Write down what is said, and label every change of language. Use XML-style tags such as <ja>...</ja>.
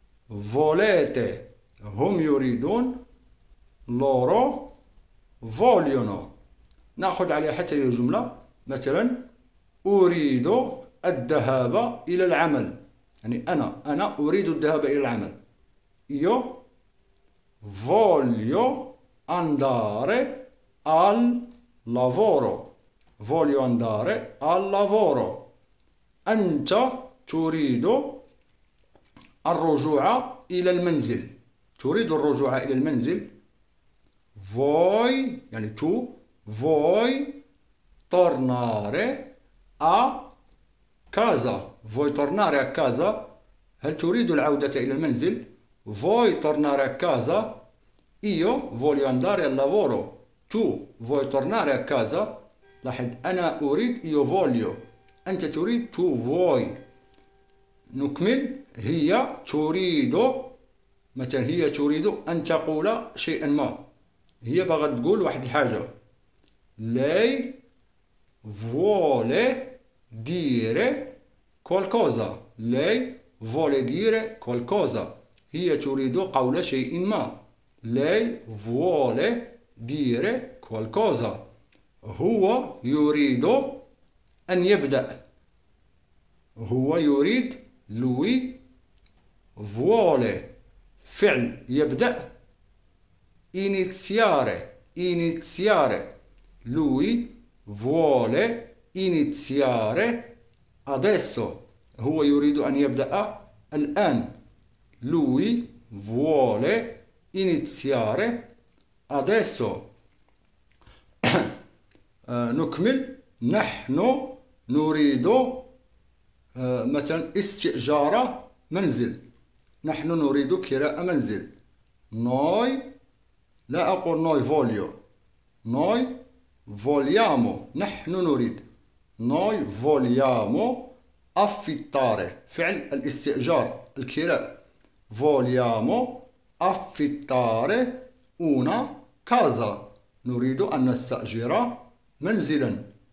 <it>Volete.</it> <ar>هم يريدون.</ar> <it>Loro. Vogliono.</it> <ar>نأخذ عليها حتى هي جملة. مثلا أريد الذهاب إلى العمل. يعني أنا أريد الذهاب إلى العمل.</ar> <it>Io voglio andare al lavoro. Voglio andare al lavoro.</it> <ar>أنت تريد الرجوع إلى المنزل. تريد الرجوع إلى المنزل.</ar> <it>Voi, يعني tu, voi tornare a casa. Voi tornare a casa.</it> <ar>هل تريد العودة إلى المنزل؟</ar> <it>Voi tornare a casa. Io voglio andare al lavoro. Tu vuoi tornare a casa.</it> <ar>لاحظ أنا أريد.</ar> <it>Io voglio.</it> <ar>أنت تريد.</ar> <it>Tu vuoi.</it> <ar>نكمل. هي تريد. مثلا هي تريد أن تقول شيئا ما. هي بغا تقول واحد الحاجة.</ar> <it>Lei vuole dire qualcosa. Lei vuole dire qualcosa.</it> <ar>هي تريد قول شيء ما.</ar> <it>Lei vuole dire qualcosa.</it> <ar>هو يريد أن يبدأ. هو يريد.</ar> <it>Lui vuole.</it> <ar>فعل يبدأ.</ar> <it>Iniziare. Iniziare. Lui vuole iniziare adesso.</it> <ar>هو يريد أن يبدأ الآن.</ar> <it>Lui vuole iniziare adesso.</it> <ar>نكمل. نحن نريد مثلا استئجار منزل. نحن نريد كراء منزل. Noi. لا أقول</ar> <it>noi voglio. Noi vogliamo.</it> <ar>نحن نريد.</ar> <it>Noi vogliamo affittare.</it> <ar>فعل الاستئجار الكراء.</ar> <it>Vogliamo affittare una casa.</it> <ar>نريد أن نستأجر منزلا.</ar>